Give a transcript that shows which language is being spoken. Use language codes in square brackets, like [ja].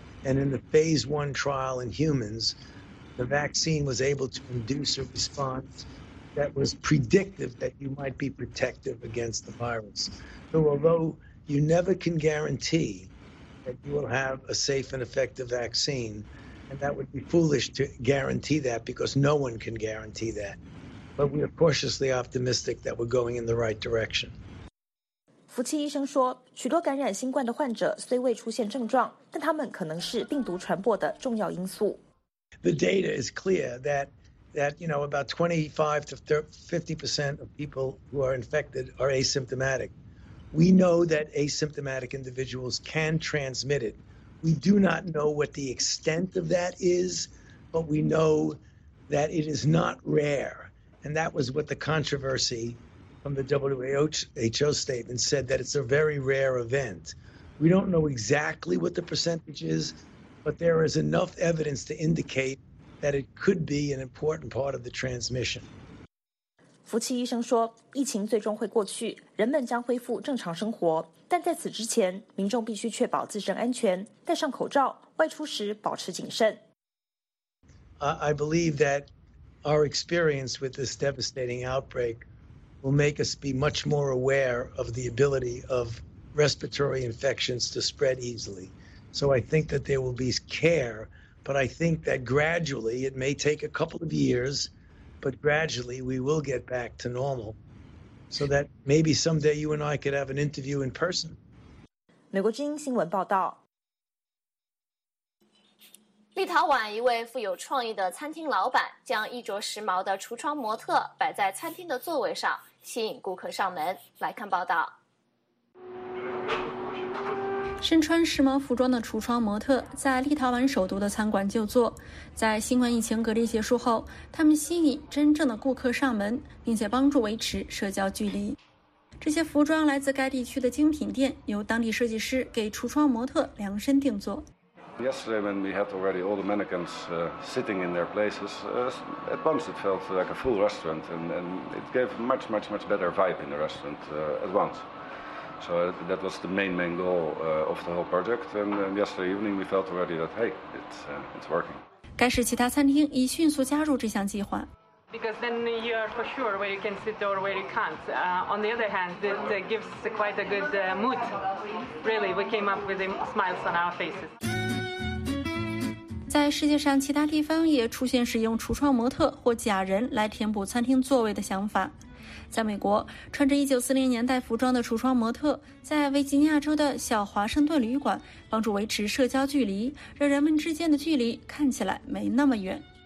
[en] And in the phase one trial in humans, the vaccine was able to induce a response that was predictive that you might be protective against the virus. So although you never can guarantee that you will have a safe and effective vaccine, and that would be foolish to guarantee that because no one can guarantee that. But we are cautiously optimistic that we're going in the right direction. [zh] 福奇医生说，许多感染新冠的患者虽未出现症状，但他们可能是病毒传播的重要因素。 [en] The data is clear that you know about 25 to 50% of people who are infected are asymptomatic. We know that asymptomatic individuals can transmit it. We do not know what the extent of that is, but we know that it is not rare. And that was what the controversy from the WHO statement said, that it's a very rare event. We don't know exactly what the percentage is, but there is enough evidence to indicate that it could be an important part of the transmission. [zh] 福奇医生说，疫情最终会过去，人们将恢复正常生活。但在此之前，民众必须确保自身安全，戴上口罩，外出时保持谨慎。 [en] I believe that... Our experience with this devastating outbreak will make us be much more aware of the ability of respiratory infections to spread easily. So I think that there will be care, but I think that gradually, it may take a couple of years, but gradually we will get back to normal so that maybe someday you and I could have an interview in person. [zh] 美国之音新闻报道。立陶宛一位富有创意的餐厅老板将衣着时髦的橱窗模特摆在餐厅的座位上，吸引顾客上门。来看报道。身穿时髦服装的橱窗模特在立陶宛首都的餐馆就座。在新冠疫情隔离结束后，他们吸引真正的顾客上门，并且帮助维持社交距离。这些服装来自该地区的精品店，由当地设计师给橱窗模特量身定做。 [en] Yesterday when we had already all the mannequins sitting in their places, at once it felt like a full restaurant and it gave much, much, much better vibe in the restaurant at once. So that was the main goal of the whole project and yesterday evening we felt already that, hey, it's working. [zh] 该市其他餐厅已迅速加入这项计划。 [en] Because then you are for sure where you can sit or where you can't. On the other hand, it gives quite a good mood. Really, we came up with smiles on our faces. [zh] 在世界上其他地方也出现使用橱窗模特或假人来填补餐厅座位的想法。在美国，穿着1940年代服装的橱窗模特在维吉尼亚州的小华盛顿旅馆帮助维持社交距离，让人们之间的距离看起来没那么远。